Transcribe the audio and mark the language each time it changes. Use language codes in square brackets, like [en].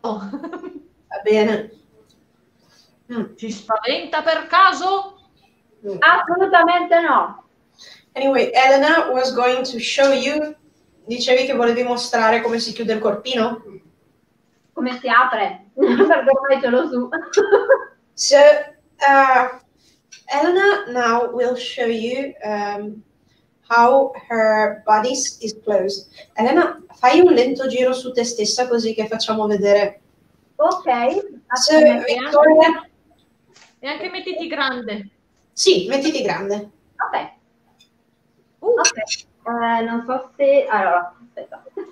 [it] Va bene. Ti spaventa per caso? Assolutamente no. [en] Anyway, Elena was going to show you. [it] Dicevi che volevi mostrare come si chiude il corpino? Come si apre? Perché ormai ce l'ho su. [en] So, Elena now will show you how her bodice is closed. [it] Elena, fai un lento giro su te stessa così che facciamo vedere. Ok. [en] So, Victoria... [it] E anche mettiti grande. Sì, mettiti grande. Ok. Non so se... Allora, aspetta.